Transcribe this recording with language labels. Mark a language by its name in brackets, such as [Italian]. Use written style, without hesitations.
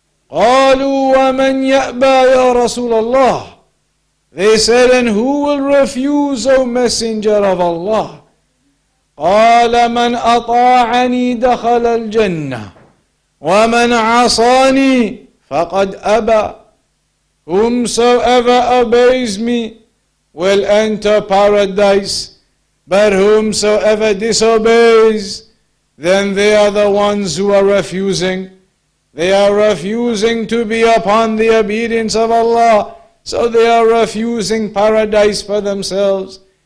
[Arabic] قالوا ومن يأبى يا رسول الله. [English] They said, and who will refuse, O Messenger of Allah? [Arabic] قال من أطاعني دخل الجنة ومن عصاني فقد أبى. [English] Whomsoever obeys me will enter paradise, but whomsoever disobeys, then they are the ones who are refusing. They are refusing to be upon the obedience of Allah, so they are refusing paradise for themselves.